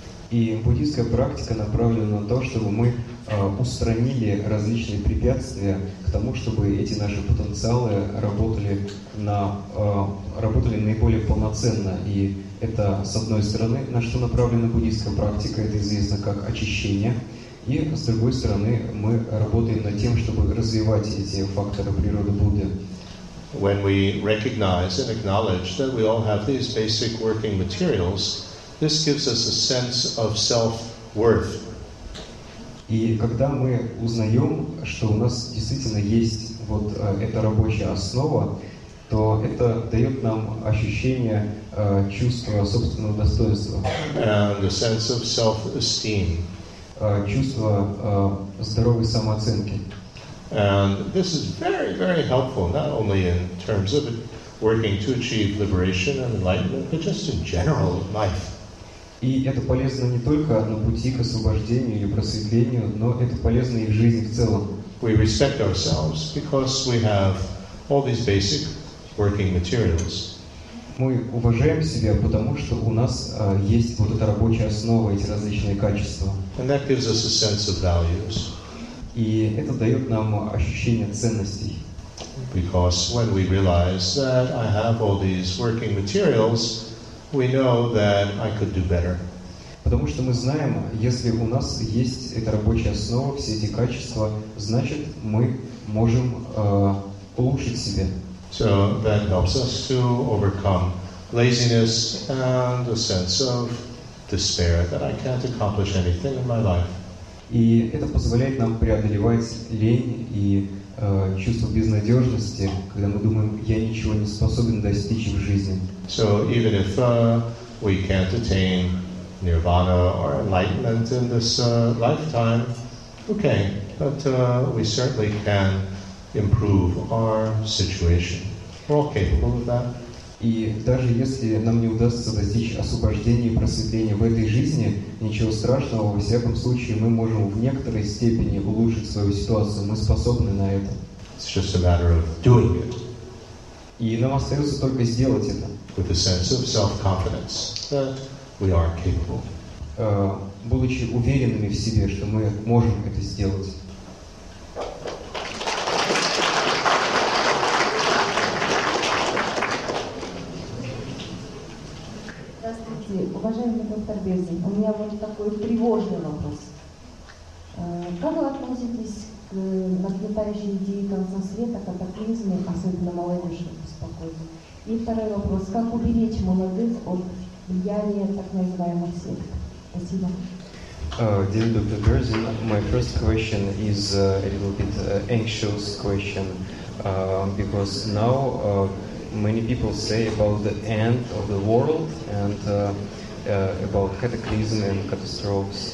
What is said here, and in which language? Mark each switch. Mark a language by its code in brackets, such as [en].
[ru] И буддийская практика направлена на то, чтобы мы устранили различные препятствия к тому, чтобы эти наши потенциалы работали наиболее полноценно. И это, с одной стороны, на что направлена буддийская практика, это известно как очищение. И, с другой стороны, мы работаем над тем, чтобы развивать эти факторы природы Будды. [en] When we recognize and acknowledge that we all have these basic working materials, this gives us a sense of self-worth. [ru] И когда мы узнаем, что у нас действительно есть вот эта рабочая основа, то это дает нам ощущение чувства собственного достоинства. [en] And a sense of self-esteem. [ru] Чувство здоровой самооценки. [en] And this is very, very helpful, not only in terms of working to achieve liberation and enlightenment, but just in general life. [ru] И это полезно не только на пути к освобождению или просветлению, но это полезно и в жизни в целом. [en] We respect ourselves because we have all these basic working materials. [ru] Мы уважаем себя, потому что у нас есть вот эта рабочая основа, эти различные качества. [en] And that gives us a sense of values. [ru] И это дает нам ощущение ценностей. [en] Because when we realize that I have all these working materials, we know that I could do better. [ru] Потому что мы знаем, если у нас есть эта рабочая основа, все эти качества, значит, мы можем улучшить себя. [en] So that helps us to overcome laziness and a sense of despair that I can't accomplish anything in my life. [ru] И это позволяет нам преодолевать лень и чувство безнадежности, когда мы думаем, я ничего не способен достичь в жизни. [en] So even if we can't attain nirvana or enlightenment in this lifetime, okay, but we certainly can improve our situation. We're all capable of that. [ru] И даже если нам не удастся достичь освобождения и просветления в этой жизни, ничего страшного, во всяком случае, мы можем в некоторой степени улучшить свою ситуацию, мы способны на это. [en] It's just a matter of doing it. [ru] И нам остается только сделать это. [en] With a sense of self-confidence that we are capable. [ru] Будучи уверенными в себе, что мы можем это сделать. Уважаемый доктор Безин, у меня вот такой тревожный вопрос. Как вы относитесь к нагнетающей идее конца света, катаклизме, особенно молодежь, чтобы успокоить? И второй вопрос. Как уберечь молодых от влияния так называемых сект? Спасибо. [en] Dear Dr. Berzin, my first question is a little bit anxious question, because now many people say about the end of the world and about cataclysm and catastrophes.